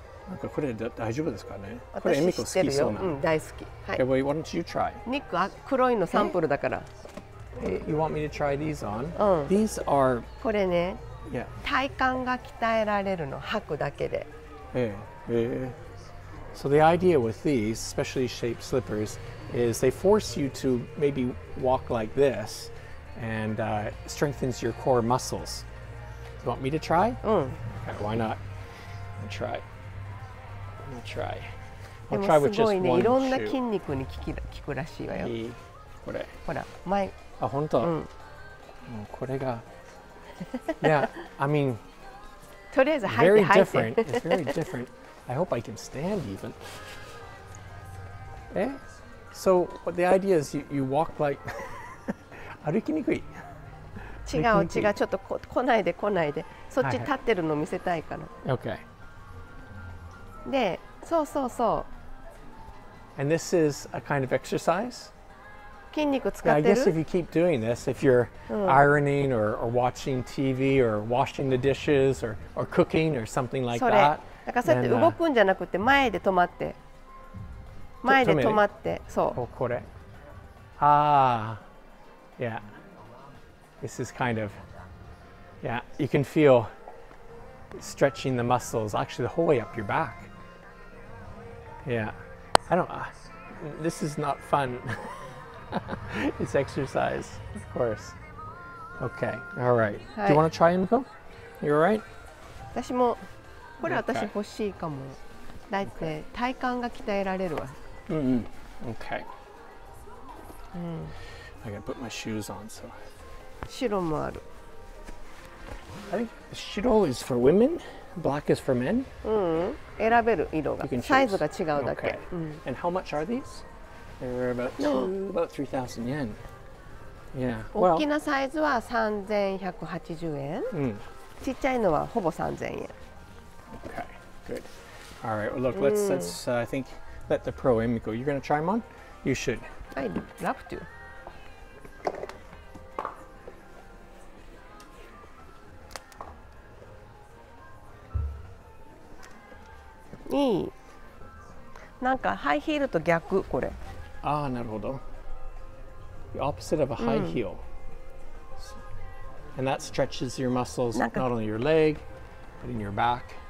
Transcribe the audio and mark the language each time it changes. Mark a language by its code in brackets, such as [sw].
[ja] なんかこれ大丈夫ですかね？これエミコ好きそうな。うん、大好き。 [en] はい。Okay, wait, why don't you try? [ja] ニックは黒いのサンプルだから。 [en] You want me to try these on? [ja] うん。 [en] These are... [ja] これね、 [en] yeah. [ja] 体幹が鍛えられるの、吐くだけで。ええ。 [en] So the idea with these specially shaped slippers is they force you to maybe walk like this and strengthens your core muscles. You want me to try? Okay, why not? I'm gonna try. I'll try with just one shoe. [ja] いろんな筋肉に効くらしいわよ。これ。ほら、前。あ、本当。うん。もうこれが。 [en] Yeah, I mean. [ja] とりあえず入って。 [en] Very different. It's very different. I hope I can stand even. Eh? So what the idea is you walk like. [ja] 歩きにくい。違う違う、ちょっと来ないで。そっち立ってるの見せたいから。はいはい、 [en] okay. [ja] で、そうそうそう。 [en] And this is a kind of exercise? [ja] 筋肉使ってる? [en] I guess if you keep doing this, if you're ironing or watching TV or washing the dishes or cooking or something like [ja] それ、 [en] that. [ja] だからそうやって動くんじゃなくて前で止まって。前で止まって、そう。お、これ。ああ、yeah. [en] This is kind of, yeah, you can feel stretching the muscles, actually the whole way up your back. Yeah, I don't, this is not fun. It's exercise, of course. Okay, all right.、はい、Do you want to try, Emiko? You all right? [ja] 私も、これ私欲しいかも。だって体幹が鍛えられるわ。うん、okay. うん、okay. [en] I gotta put my shoes on, so... [ja] 白もある。 [en] I think 白 is for women, black is for men. [ja] うん、選べる色が。サイズが違うだけ。 [en] Okay. うん、 And how much are these? They're about two, about 3,000 yen. Yeah. [ja] 大きなサイズは3,180円。ちっちゃいのはほぼ3,000円。 [en] Okay, good. All right. Well, look, let's I think let the pro Emiko. You're going to try them on? You should. I'd love to. [ja] いい。なんかハイヒールと逆、これ。ああ、なるほど。 [en] The opposite of a high heel.、うん、And that stretches your muscles, not only your leg, but in your back.